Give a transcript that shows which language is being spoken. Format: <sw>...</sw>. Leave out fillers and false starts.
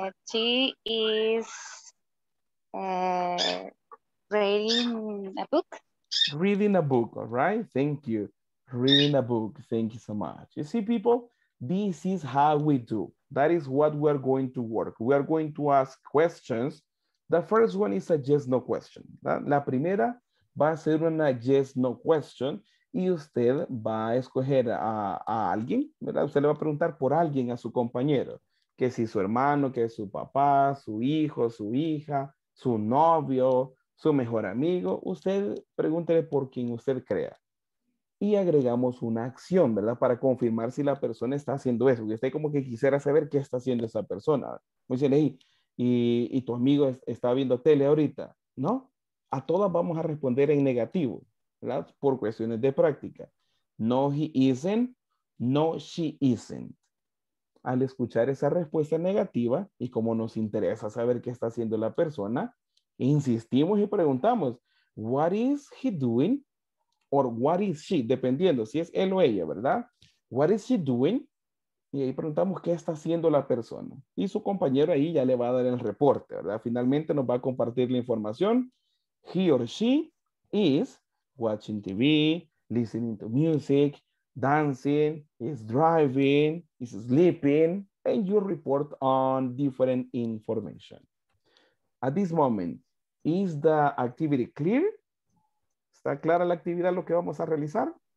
<en>She is reading a book. Reading a book. All right. Thank you. Reading a book. Thank you so much. You see, people, this is how we do. That is what we're going to work. We are going to ask questions. The first one is a yes, no question.</en> <es>La primera va a ser una</es> <en>yes, no question.</en> <es>Y usted va a escoger a alguien, ¿verdad? Usted le va a preguntar por alguien a su compañero, que si su hermano, que es su papá, su hijo, su hija, su novio, su mejor amigo. Usted pregúntele por quien usted crea. Y agregamos una acción, ¿verdad? Para confirmar si la persona está haciendo eso. Y usted como que quisiera saber qué está haciendo esa persona. Dice, hey, ¿y tu amigo está viendo tele ahorita? ¿No? A todas vamos a responder en negativo. ¿Verdad? Por cuestiones de práctica.</es> <en>No, he isn't. No, she isn't.</en> <es>Al escuchar esa respuesta negativa y como nos interesa saber qué está haciendo la persona, insistimos y preguntamos,</es> <en>what is he doing? Or what is she?</en> <es>Dependiendo si es él o ella, ¿verdad?</es> <en>What is she doing?</en> <es>Y ahí preguntamos qué está haciendo la persona. Y su compañero ahí ya le va a dar el reporte, ¿verdad? Finalmente nos va a compartir la información.</es> <en>He or she is watching TV, listening to music, dancing, is driving, is sleeping, and you report on different information. At this moment, is the activity clear?</en> <es>¿Está clara la actividad, lo que vamos a realizar?</es>